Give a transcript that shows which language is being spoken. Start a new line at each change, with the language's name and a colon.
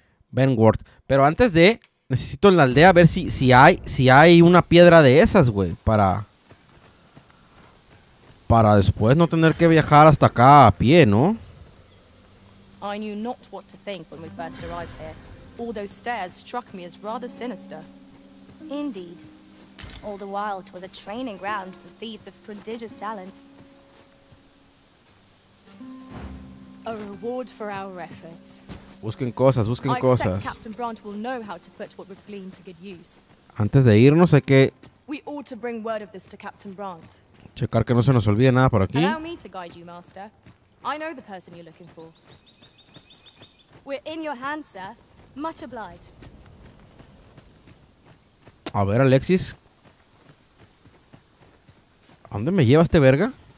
Spanish: Benward. Pero antes de... Necesito en la aldea ver si hay una piedra de esas, güey. Para después no tener que viajar hasta acá a pie, ¿no?
English: I knew not what to think when we first arrived here. All those stairs struck me as rather sinister. Indeed. All the while, it was a training ground for thieves of prodigious talent. A reward for our efforts.
Spanish: Busquen cosas, busquen cosas.
English: I expect Captain Brandt will know how to put what we've gleaned to good use.
Spanish: Antes de irnos, hay que...
English: We ought to bring word of this to Captain Brandt.
Spanish: Checar que no se nos olvide nada por aquí.
English: Allow me to guide you, Master. I know the person you're looking for. We're in your hands, sir. Much obliged.
Spanish: A ver, Alexis. ¿A dónde me lleva este verga?